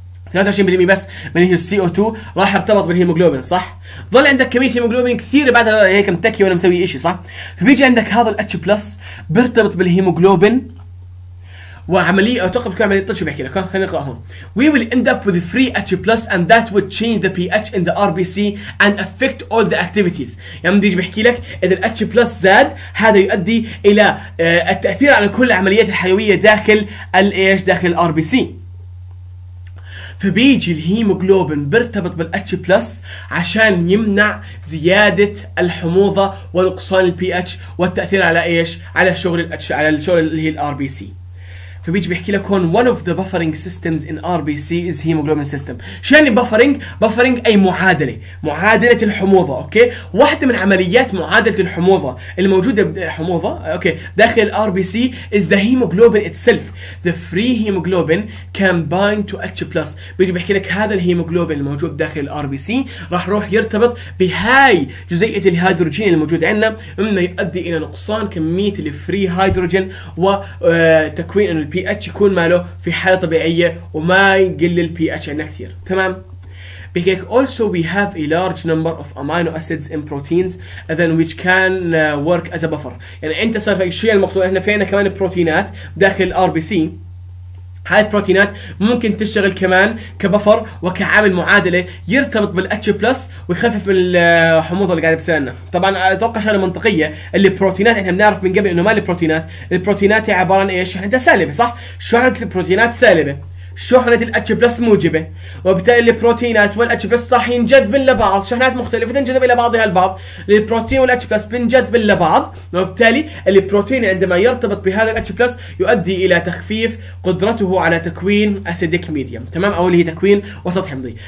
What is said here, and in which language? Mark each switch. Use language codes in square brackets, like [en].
[ar] اللي هو السي او 2 راح ارتبط بالهيموغلوبين صح؟ ظل عندك كميه هيموغلوبين كثيره بعدها هيك متكي ولا مسوي شيء صح؟ فبيجي عندك هذا الاتش بلس بيرتبط بالهيموغلوبين وعمليه اعتقد بتكون عمليه طشو بحكي لك ها خلينا نقرا هون. [en] We will end up with free H plus and that would change the pH in the RBC and affect all the activities. [ar] يعني بيجي بحكي لك اذا ال H plus زاد هذا يؤدي الى التاثير على كل العمليات الحيويه داخل الايش؟ داخل ال RBC. فبيجي الهيموغلوبين بيرتبط بال H plus عشان يمنع زياده الحموضه ونقصان ال pH والتاثير على ايش؟ على شغل ال H على شغل اللي هي ال RBC. فبيجي بيحكي لك هون [en] one of the buffering systems in RBC is hemoglobin system. [ar] شو يعني buffering؟ buffering أي معادلة، معادلة الحموضة، أوكي؟ واحدة من عمليات معادلة الحموضة الموجودة حموضة، أوكي، داخل الـ RBC [en] is the hemoglobin itself. The free hemoglobin can bind to H+. [ar] بيجي بيحكي لك هذا الهيموغلوبين الموجود داخل الـ RBC راح يروح يرتبط بهاي جزيئة الهيدروجين الموجود عندنا، مما يؤدي إلى نقصان كمية الـ free hydrogen وتكوين الـ pH يكون ماله في حالة طبيعية وما يقل الـ pH عندنا كثير. تمام؟ بيكيك [en] also we have a large number of amino acids in proteins then which can work as a buffer. [ar] يعني انت صار في شيء المقصود احنا فينا كمان بروتينات داخل الـ RBC، هاي البروتينات ممكن تشتغل كمان كبفر وكعامل معادلة يرتبط بالـ H+ ويخفف من الحموضة اللي قاعدة بتصير لنا. طبعا اتوقع شغلة منطقية، اللي البروتينات احنا بنعرف من قبل انه ما البروتينات، البروتينات هي عبارة عن ايش؟ شحنتها سالبة صح؟ شحنة البروتينات سالبة، شحنة الـ H+ موجبة، وبالتالي البروتينات والـ H+ راح ينجذبن لبعض، شحنات مختلفة تنجذب إلى بعضها البعض، البروتين والـ H+ بنجذبن لبعض، وبالتالي البروتين عندما يرتبط بهذا الـ H+ يؤدي إلى تخفيف قدرته على تكوين أسيديك ميديوم، تمام؟ أو اللي هي تكوين وسط حمضي.